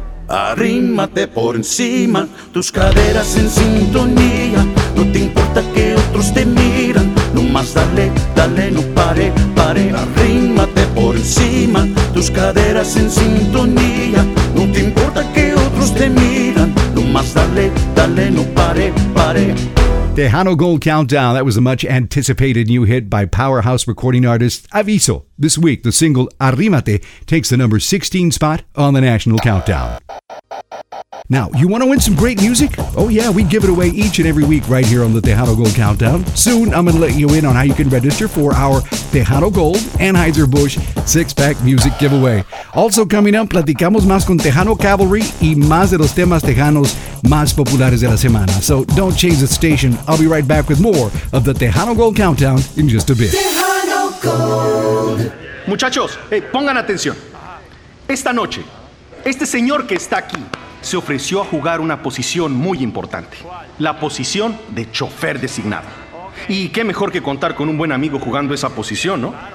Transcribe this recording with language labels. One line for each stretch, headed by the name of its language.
Spanish: Arrímate por encima, tus caderas en sintonía. No te importa que otros te miran, nomás dale, dale, no pare, pare. Arrímate por encima, tus caderas en sintonía. No te importa que otros te miran, nomás más, dale, dale, no pare, pare.
English: Tejano Gold Countdown, that was a much-anticipated new hit by powerhouse recording artist Aviso. This week, the single Arrímate takes the number 16 spot on the national countdown. Now, you want to win some great music? Oh yeah, we give it away each and every week right here on the Tejano Gold Countdown. Soon, I'm going to let you in on how you can register for our Tejano Gold Anheuser-Busch six-pack music giveaway. Also coming up,
Spanish: platicamos más con Tejano Cavalry y más de los temas tejanos más populares de la semana.
English: So don't change the station. I'll be right back with more of the Tejano Gold Countdown in just a bit. Tejano Gold.
Spanish: Muchachos, hey, pongan atención. Esta noche, este señor que está aquí se ofreció a jugar una posición muy importante. La posición de chofer designado. Y qué mejor que contar con un buen amigo jugando esa posición, ¿no?